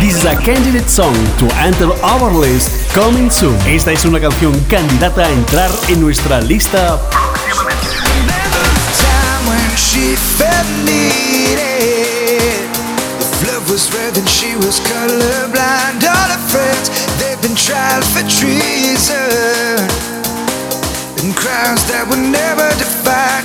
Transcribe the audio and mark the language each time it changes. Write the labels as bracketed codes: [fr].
[en] This is a candidate song to enter our list coming soon. [es] Esta es una canción candidata a entrar en nuestra lista. [en] Remember the time when she felt needed. The flood was was red and she was colorblind. All her friends, they've been tried for treason and crimes that were never defied.